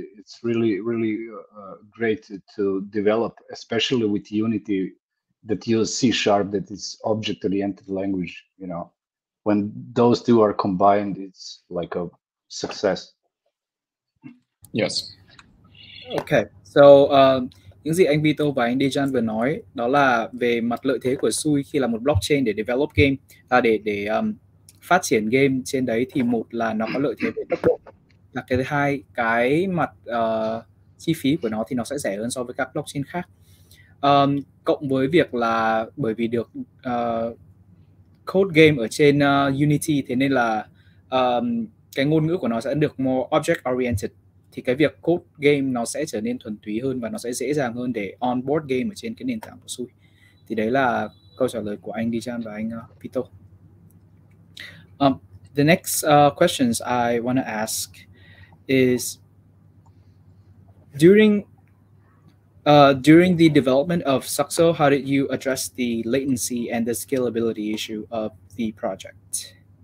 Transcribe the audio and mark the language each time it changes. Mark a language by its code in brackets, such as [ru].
[en] It's really, really great to develop, especially with Unity, that use C sharp, that is object oriented language. You know, when those two are combined, it's like a success. Yes. Okay. [vi] So những gì anh Vito và anh Dijan vừa nói đó là về mặt lợi thế của Sui khi là một blockchain để develop game, phát triển game trên đấy, thì một là nó có lợi thế về tốc độ, là cái thứ hai cái mặt chi phí của nó thì nó sẽ rẻ hơn so với các blockchain khác, cộng với việc là bởi vì được code game ở trên Unity, thế nên là cái ngôn ngữ của nó sẽ được [en] more object oriented, [vi] thì cái việc code game nó sẽ trở nên thuần túy hơn và nó sẽ dễ dàng hơn để onboard game ở trên cái nền tảng của Sui. Thì đấy là câu trả lời của anh Dijan và anh Vito. [en] The next questions I want to ask is during the development of Suxo, how did you address the latency and the scalability issue of the project?